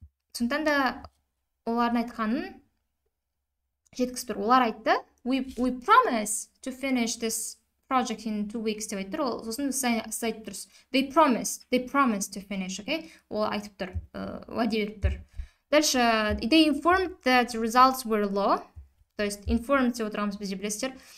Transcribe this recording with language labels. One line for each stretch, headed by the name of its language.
Kazakh: Сондықтан да олардың айтқанын жеткізіп тұр. Олар айтты,
English: we promise to finish this project in 2 weeks
Kazakh: деп айтты. Ол сосын сіз айтып тұрсыз.
English: They promise to finish, okay?
Kazakh: Ол айтып тұр, уәде беріп тұр.
Russian: Дальше,
English: they informed that the results were low.
Russian: То есть
Kazakh: informed деп отырамыз бізде білесіздер.